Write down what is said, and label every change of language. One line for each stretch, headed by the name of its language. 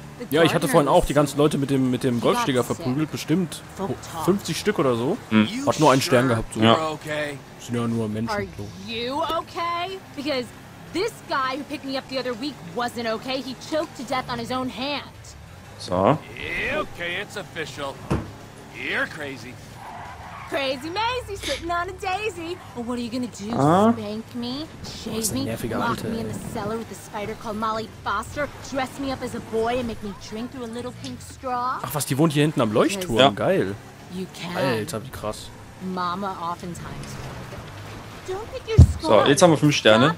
German: Ja, ich hatte vorhin auch die ganzen Leute mit dem Golfschläger verprügelt. Bestimmt 50 Stück oder so. Hm. Hat nur einen Stern gehabt. So. Ja. Sind ja nur Menschen.
English: Are you okay? Because this guy who picked me up the other week wasn't okay. He choked to death on his own hand. So. Okay, it's official. You're crazy. Crazy Maisie sitting on a daisy. Well, what are you gonna do? Spank me? Shave me? Lock me in the cellar with a spider called Molly Foster? Dress me up as a boy and make me drink through a little pink straw?
German: Ach was, die wohnt hier hinten am Leuchtturm. Ja. Geil.
English: You can.
German: Alter, wie krass.
English: Mama oftentimes. Don't pick your skull.
German: So, jetzt haben wir 5 Sterne.